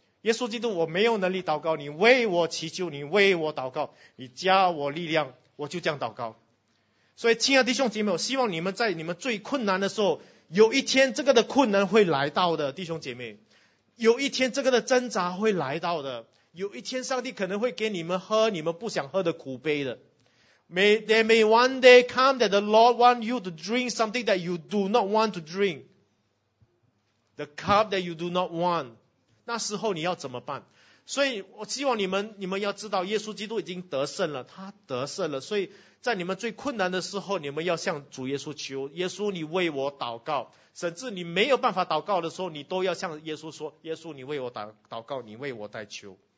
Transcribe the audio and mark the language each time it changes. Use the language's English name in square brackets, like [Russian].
[Chinese] 耶稣基督，我没有能力祷告，你为我祈求，你为我祷告，你加我力量，我就这样祷告。所以亲爱的弟兄姐妹，我希望你们在你们最困难的时候，有一天这个的困难会来到的，弟兄姐妹，有一天这个的挣扎会来到的，有一天上帝可能会给你们喝你们不想喝的苦杯的。 [English] There may one day come that the Lord want you to drink something that you do not want to drink. The cup that you do not want. [Chinese] 那时候你要怎么办? 所以我希望你们要知道耶稣基督已经得胜了,他得胜了, 所以在你们最困难的时候,你们要向主耶稣求, 耶稣你为我祷告, 甚至你没有办法祷告的时候, 你都要向耶稣说, 耶稣你为我祷告, 你为我代求。